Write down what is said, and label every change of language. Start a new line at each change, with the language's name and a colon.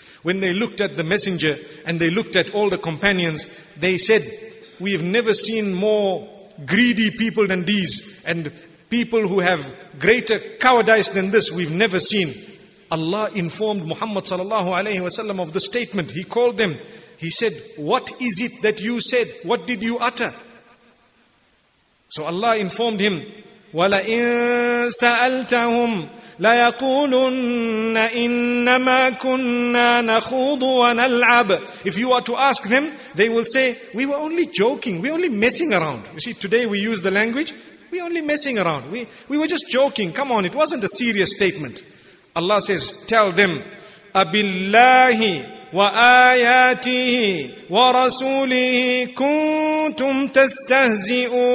English: When they looked at the messenger and they looked at all the companions, they said, we've never seen more greedy people than these, and people who have greater cowardice than this we've never seen. Allah informed Muhammad sallallahu alayhi wa sallam of the statement. He called them. He said, what is it that you said? What did you utter? So Allah informed him,
Arabic: وَلَئِن سَأَلْتَهُمْ لَيَقُولُنَّ إِنَّمَا كُنَّا نَخُوضُ وَنَلْعَبُ.
English: If you are to ask them, they will say, we were only joking, we were only messing around. You see, today we use the language, we were only messing around. We were just joking, come on, it wasn't a serious statement. Allah says, tell them,
Arabic: أَبِاللَّهِ وَآيَاتِهِ وَرَسُولِهِ كُنْتُمْ تَسْتَهْزِئُونَ.